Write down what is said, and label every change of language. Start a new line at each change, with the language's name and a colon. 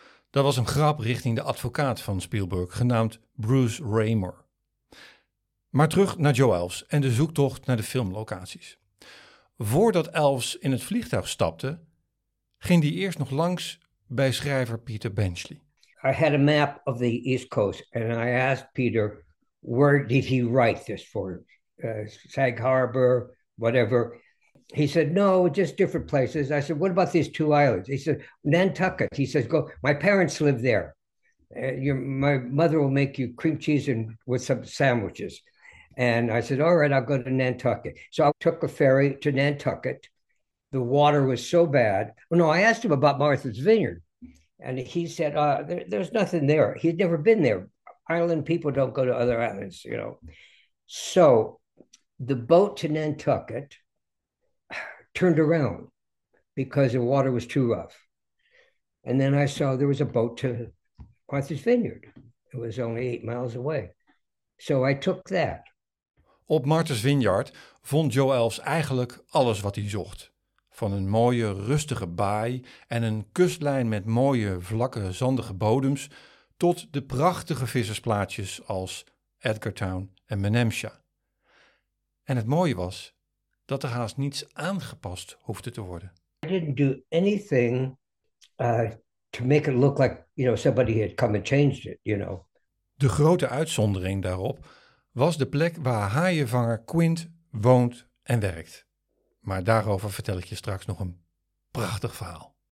Dutch: Dat was een grap richting de advocaat van Spielberg, genaamd Bruce Raymer. Maar terug naar Joe Elfs en de zoektocht naar de filmlocaties. Voordat Elfs in het vliegtuig stapte, ging hij eerst nog langs bij schrijver Peter Benchley.
English: I had a map of the East Coast and I asked Peter, where did he write this for? Sag Harbor, whatever. He said, no, just different places. I said, what about these two islands? He said, Nantucket. He says, go. My parents live there. My mother will make you cream cheese and with some sandwiches. And I said, all right, I'll go to Nantucket. So I took a ferry to Nantucket. The water was so bad. Well, no, I asked him about Martha's Vineyard. And he said, there's nothing there. He'd never been there. Island people don't go to other islands, you know. So the boat to Nantucket turned around because the water was too rough. And then I saw there was a boat to Martha's Vineyard. It was only 8 miles away. So I took that.
Dutch: Op Martha's Vineyard vond Joe Elfs eigenlijk alles wat hij zocht. Van een mooie, rustige baai en een kustlijn met mooie, vlakke, zandige bodems, tot de prachtige vissersplaatsjes als Edgartown en Menemsha. En het mooie was dat er haast niets aangepast hoefde te worden.
English: I didn't do anything to make it look like, you know, somebody had come and changed it, you know.
Dutch: De grote uitzondering daarop was de plek waar haaienvanger Quint woont en werkt. Maar daarover vertel ik je straks nog een prachtig verhaal.